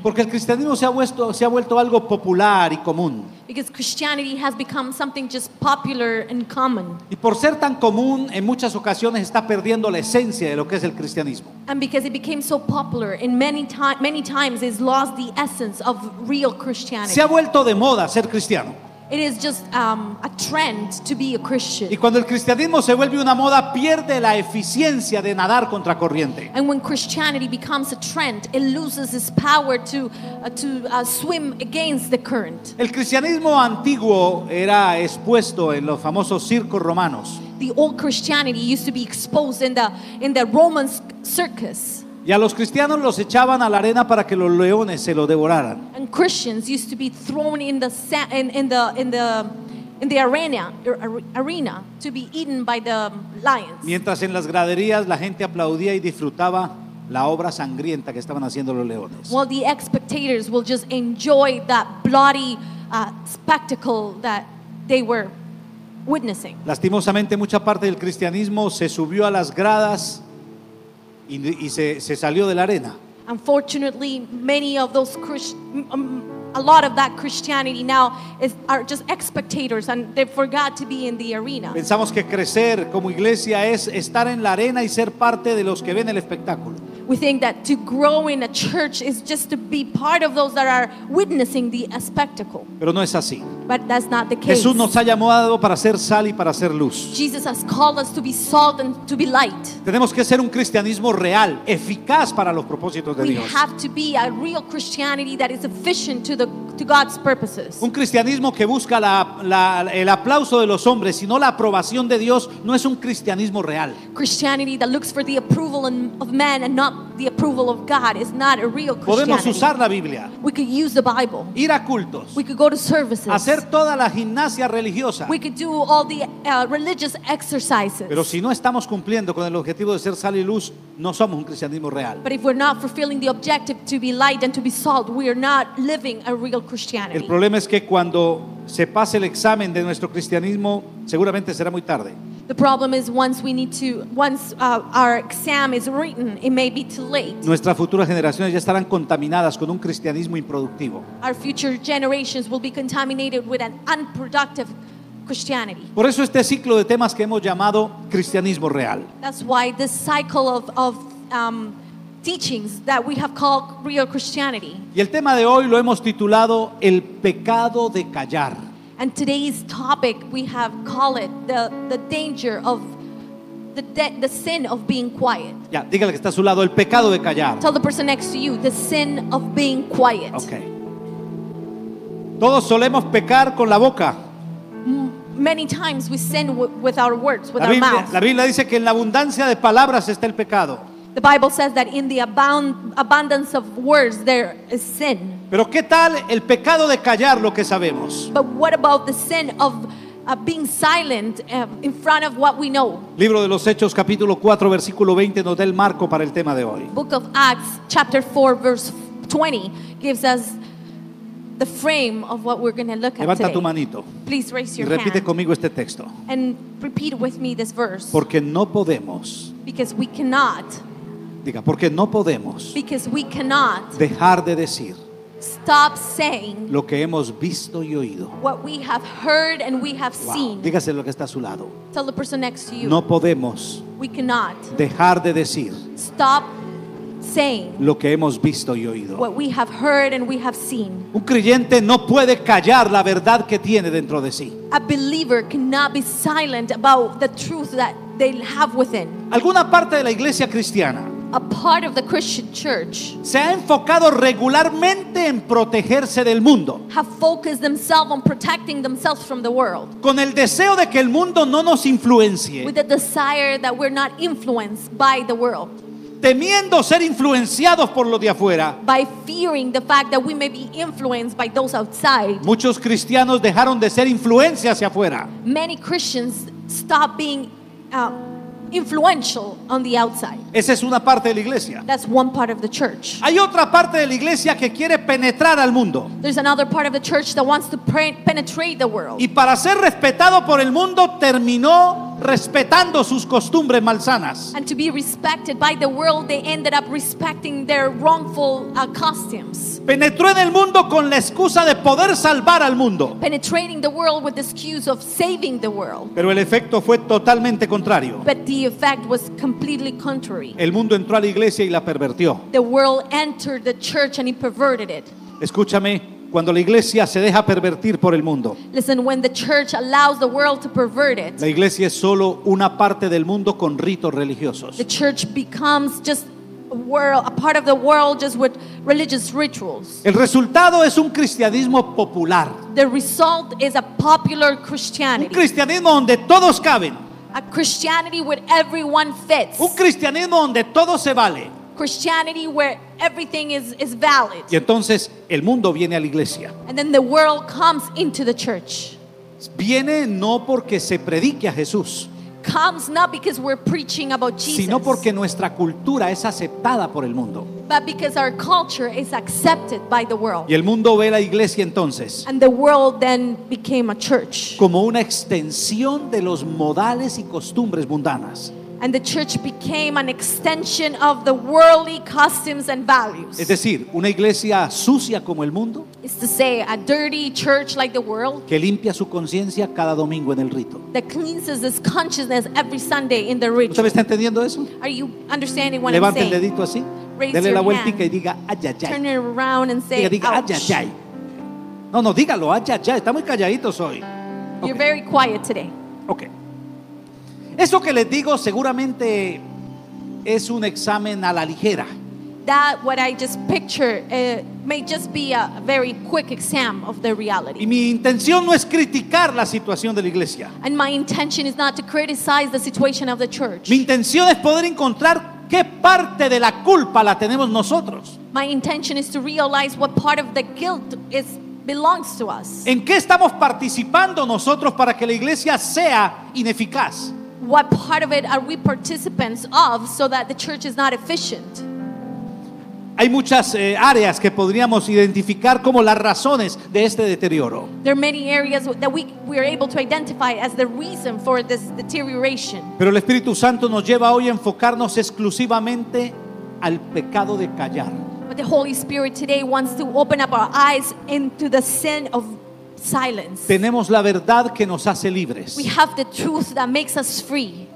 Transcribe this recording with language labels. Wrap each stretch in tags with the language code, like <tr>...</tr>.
<es>Porque el cristianismo se ha vuelto algo popular y común.</es> <en>Because Christianity has become something just popular and common.</en> <es>Y por ser tan común, en muchas ocasiones está perdiendo la esencia de lo que es el cristianismo.</es> <en>And because it became so popular, in many times it's lost the essence of real Christianity.</en> <es>Se ha vuelto de moda ser cristiano.</es> <en>It is just a trend to be a Christian.</en> <es>Y cuando el cristianismo se vuelve una moda, pierde la eficiencia de nadar contra corriente.</es> <en>And when Christianity becomes a trend, it loses its power to swim against the current.</en> <es>El cristianismo antiguo era expuesto en los famosos circos romanos.</es> <en>The old Christianity used to be exposed in the Roman circus.</en> <es>Y a los cristianos los echaban a la arena para que los leones se lo devoraran.</es> <en>And Christians used to be thrown in the arena to be eaten by the lions.</en> <es>Mientras en las graderías la gente aplaudía y disfrutaba la obra sangrienta que estaban haciendo los leones.</es> <en>Well, the spectators will just enjoy that bloody spectacle that they were witnessing.</en> <es>Lastimosamente, mucha parte del cristianismo se subió a las gradas y se salió de la arena.</es> <en>Unfortunately, many of those a lot of that Christianity now are just spectators and they forgot to be in the arena.</en> <es>Pensamos que crecer como iglesia es estar en la arena y ser parte de los que ven el espectáculo.</es> <en>We think that to grow in a church is just to be part of those that are witnessing the spectacle.</en> <es>Pero no es así.</es> <en>But that's not the case.</en> <es>Jesús nos ha llamado para ser sal y para ser luz.</es> <en>Jesus has called us to be salt and to be light.</en> <es>Tenemos que ser un cristianismo real, eficaz para los propósitos de Dios.</es> <en>We have to be a real Christianity that is efficient to God's purposes.</en> <es>Un cristianismo que busca el aplauso de los hombres y no la aprobación de Dios no es un cristianismo real.</es> <en>Christianity that looks for the approval of men and not the approval of God is not a real Christianity.</en> <es>Podemos usar la Biblia.</es> <en>We could use the Bible.</en> <es>Ir a cultos.</es> <en>We could go to services.</en> <es>Hacer toda la gimnasia religiosa.</es> <en>We could do all the religious exercises.</en> <es>Pero si no estamos cumpliendo con el objetivo de ser sal y luz, no somos un cristianismo real.</es> <en>But if we're not fulfilling the objective to be light and to be salt, we are not living a real Christianity.</en> <es>El problema es que cuando se pase el examen de nuestro cristianismo, seguramente será muy tarde.</es> <en>The problem is once our exam is written, it may be too late.</en> <es>Nuestras futuras generaciones ya estarán contaminadas con un cristianismo improductivo.</es> <en>Our future generations will be contaminated with an unproductive Christianity.</en> <es>Por eso este ciclo de temas que hemos llamado cristianismo real.</es> <en>That's why this cycle of teachings that we have called real Christianity.</en> <es>Y el tema de hoy lo hemos titulado el pecado de callar.</es> <en>And today's topic we have called it the danger of the sin of being quiet.</en> <es>Ya, dígale que está a su lado el pecado de callar.</es> <en>Tell the person next to you the sin of being quiet.</en> <es>Okay. Todos solemos pecar con la boca.</es> <en>Many times we sin with our words, with our mouth.</en> <es>La Biblia dice que en la abundancia de palabras está el pecado.</es> <en>The Bible says that in the abundance of words there is sin.</en> <es>Pero ¿qué tal el pecado de callar lo que sabemos?</es> <en>But what about the sin of being silent in front of what we know?</en> <es>Libro de los Hechos, capítulo 4, versículo 20 nos da el marco para el tema de hoy.</es> <en>Book of Acts, chapter 4, verse 20 gives us the frame of what we're going to look at</en> <es>Levanta tu manito.</es> <en>Please raise your hand.</en> <es>Y repite conmigo este texto.</es> <en>And repeat with me this verse.</en> <es>Porque no podemos.</es> <en>Because we cannot.</en> <es>Diga, porque no podemos.</es> <en>Because we cannot.</en> <es>Dejar de decir.</es> <en>Stop saying</en> <es>lo que hemos visto y oído.</es> <en>What we have heard and we have seen.</en> <es>Dígase lo que está a su lado.</es> <en>Tell the person next to you.</en> <es>No podemos.</es> <en>We cannot.</en> <es>Dejar de decir.</es> <en>Stop saying</en> <es>lo que hemos visto y oído.</es> <en>What we have heard and we have seen.</en> <es>Un creyente no puede callar la verdad que tiene dentro de sí.</es> <en>A believer cannot be silent about the truth that they have within.</en> <es>Alguna parte de la iglesia cristiana.</es> <en>A part of the Christian church.</en> <es>Se ha enfocado regularmente en protegerse del mundo.</es> <en>Have focused themselves on protecting themselves from the world.</en> <es>Con el deseo de que el mundo no nos influencie.</es> <en>With the desire that we're not influenced by the world.</en> <es>Temiendo ser influenciados por los de afuera.</es> <en>By fearing the fact that we may be influenced by those outside.</en> <es>Muchos cristianos dejaron de ser influencia hacia afuera.</es> <en>Many Christians stop being influential on the outside.</en> <es>Esa es una parte de la iglesia.</es> <en>That's one part of the church.</en> <es>Hay otra parte de la iglesia que quiere penetrar al mundo.</es> <en>There's another part of the church that wants to penetrate the world.</en> <es>Y para ser respetado por el mundo terminó respetando sus costumbres malsanas.</es> <en>And to be respected by the world, they ended up respecting their wrongful costumes.</en> <es>Penetró en el mundo con la excusa de poder salvar al mundo.</es> <en>Penetrating the world with the excuse of saving the world.</en> <es>Pero el efecto fue totalmente contrario.</es> <en>But the effect was completely contrary.</en> <es>El mundo entró a la iglesia y la pervirtió.</es> <en>The world entered the church and it perverted it.</en> <es>Escúchame. Cuando la iglesia se deja pervertir por el mundo.</es> <en>Listen, when the church allows the world to pervert it.</en> <es>La iglesia es solo una parte del mundo con ritos religiosos.</es> <en>The church becomes just a part of the world just with religious rituals.</en> <es>El resultado es un cristianismo popular.</es> <en>The result is a popular Christianity.</en> <es>Un cristianismo donde todos caben.</es> <en>A Christianity where everyone fits.</en> <es>Un cristianismo donde todo se vale.</es> <en>Christianity where everything is valid.</en> <es>Y entonces el mundo viene a la iglesia.</es> <en>And then the world comes into the church.</en> <es>Viene no porque se predique a Jesús.</es> <en>Comes not because we're preaching about Jesus.</en> <es>Sino porque nuestra cultura es aceptada por el mundo.</es> <en>But because our culture is accepted by the world.</en> <es>Y el mundo ve la iglesia entonces.</es> <en>And the world then became a church.</en> <es>Como una extensión de los modales y costumbres mundanas.</es> <en>And the church became an extension of the worldly customs and values.</en> <es>Es decir, una iglesia sucia como el mundo.</es> <en>It's to say, a dirty church like the world.</en> <es>Que limpia su conciencia cada domingo en el rito.</es> <en>That cleanses its consciousness every Sunday in the ritual.</en> <es>¿Usted me está entendiendo eso?</es> <en>Are you understanding what</en> <es>Levanta</es> <en>I'm saying?</en> <es>Levante el dedito así.</es> <en>Raise</en> <es>dele</es> <en>your</en> <es>la vuelta</es> <en>hand.</en> <es>Y diga ayayay.</es> <en>Turn it around and say.</en> <es>Diga ayayay. No, dígalo ayayay. Está muy calladito hoy.</es> <en>Okay. You're very quiet today. Okay.</en> <es>Eso que les digo seguramente es un examen a la ligera.</es> <en>That what I just picture may just be a very quick exam of the reality.</en> <es>Y mi intención no es criticar la situación de la iglesia.</es> <en>And my intention is not to criticize the situation of the church.</en> <es>Mi intención es poder encontrar qué parte de la culpa la tenemos nosotros.</es> <en>My intention is to realize what part of the guilt is belongs to us.</en> <es>¿En qué estamos participando nosotros para que la iglesia sea ineficaz?</es> <en>What part of it are we participants of so that the church is not efficient?</en> <es>Hay muchas áreas que podríamos identificar como las razones de este deterioro.</es> <en>There are many areas that we are able to identify as the reason for this deterioration.</en> <es>Pero el Espíritu Santo nos lleva hoy a enfocarnos exclusivamente al pecado de callar.</es> <en>But the Holy Spirit today wants to open up our eyes into the sin of silence.</en> <es>Tenemos la verdad que nos hace libres.</es> <en>We have the truth that makes us free.</en>